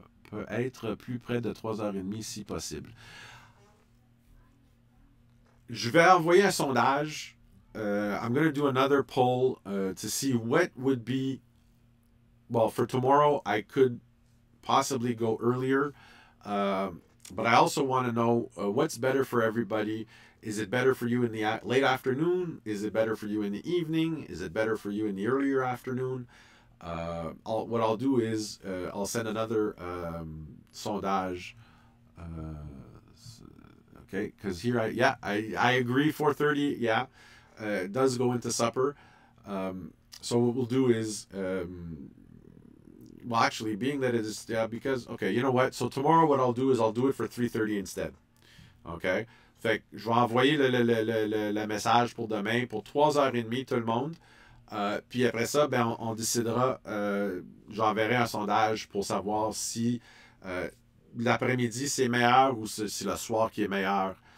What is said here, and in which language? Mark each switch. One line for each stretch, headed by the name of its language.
French: Peut être plus près de 3h30 si possible. Je vais envoyer un sondage.
English: I'm going to do another poll to see what would be... Well, for tomorrow, I could possibly go earlier. But I also want to know what's better for everybody. Is it better for you in the late afternoon? Is it better for you in the evening? Is it better for you in the earlier afternoon? What I'll do is I'll send another sondage. Okay, because here I agree 4:30. Yeah, it does go into supper. So what we'll do is... well, actually, being that it is, yeah, because, okay, you know what? So tomorrow what I'll do is I'll do it for 3:30 instead. Okay?
French: Fait que je vais envoyer le message pour demain pour 3h30, tout le monde. Puis après ça, ben on décidera, j'enverrai un sondage pour savoir si l'après-midi c'est meilleur ou c'est le soir qui est meilleur.